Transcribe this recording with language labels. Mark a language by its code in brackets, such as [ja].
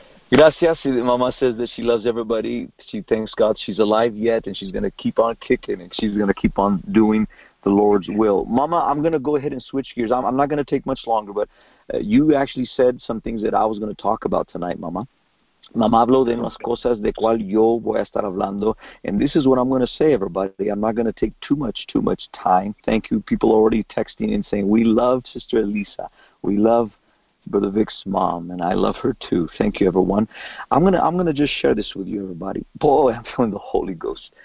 [es] Gracias. [en] Mama says that she loves everybody. She thanks God she's alive yet, and she's going to keep on kicking, and she's going to keep on doing the Lord's will. Mama, I'm going to go ahead and switch gears. I'm not going to take much longer, but you actually said some things that I was going to talk about tonight, Mama. [es] Mamá habló de las cosas de cual yo voy a estar hablando. [en] And this is what I'm going to say, everybody. I'm not going to take too much time. Thank you. People are already texting and saying, we love Sister Elisa. We love Brother Vic's mom. And I love her, too. Thank you, everyone. I'm going to just share this with you, everybody. Boy, I'm feeling the Holy Ghost.